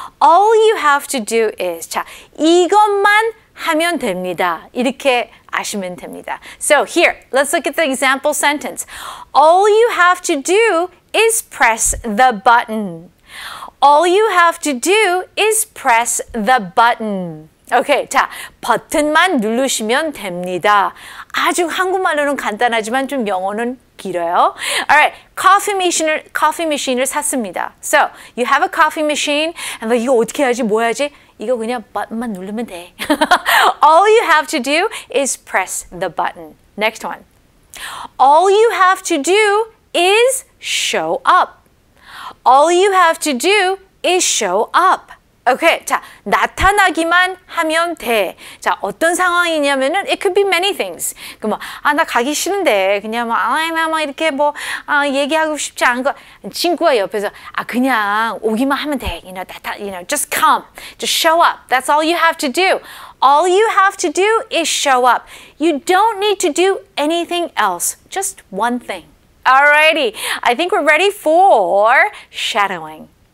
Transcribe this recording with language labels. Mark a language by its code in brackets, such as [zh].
[en] All you have to do is, [ko] 자, 이것만 하면 됩니다. 이렇게 아시면 됩니다. [en] So here, let's look at the example sentence. All you have to do is press the button. All you have to do is press the button. [ko] 오케이, 자, 버튼만 누르시면 됩니다. 아주 한국말로는 간단하지만 좀 영어는 길어요. [en] Alright, coffee machine을 [ko] 샀습니다. [en] So, you have a coffee machine. And like, [ko] 이거 어떻게 하지? 뭐 해야지? 이거 그냥 버튼만 누르면 돼. [en] All you have to do is press the button. Next one. All you have to do is show up. All you have to do is show up. [ko] Okay, 자, 나타나기만 하면 돼. 자, 어떤 상황이냐면은 [en] it could be many things. [ko] 그럼 아, 나 가기 싫은데 그냥 뭐 아, 얘기하고 싶지 않고 친구가 옆에서 아, 그냥 오기만 하면 돼. [en] Just come. Just show up. That's all you have to do. All you have to do is show up. You don't need to do anything else. Just one thing. Alrighty, I think we're ready for shadowing.